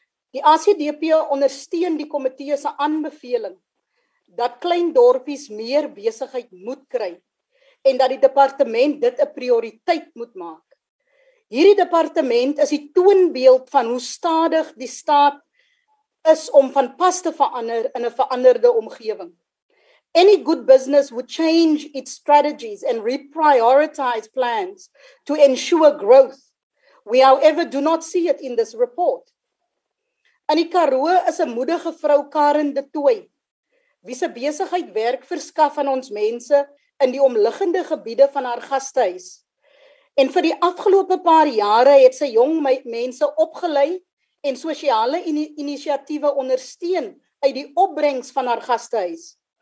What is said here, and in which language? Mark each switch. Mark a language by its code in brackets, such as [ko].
[af] Die ACDP ondersteun die komitee se aanbeveling dat klein dorpies meer besigheid moet kry en dat die departement dit 'n prioriteit moet maak. Hierdie departement is die toonbeeld van hoe stadig die staat is om van pas te verander in 'n veranderde omgewing. [en] Any good business would change its strategies and reprioritize plans to ensure growth. We however do not see it in this report. [af] In die Karoo is 'n moedige vrou, Karen de Tooy, wie se besigheid werk verskaf aan ons mense in die omliggende gebiede van haar gastehuis. En vir die afgelope paar jare het sy jong mense opgelei en sosiale inisiatiewe ondersteun uit die opbrengs van haar gastehuis.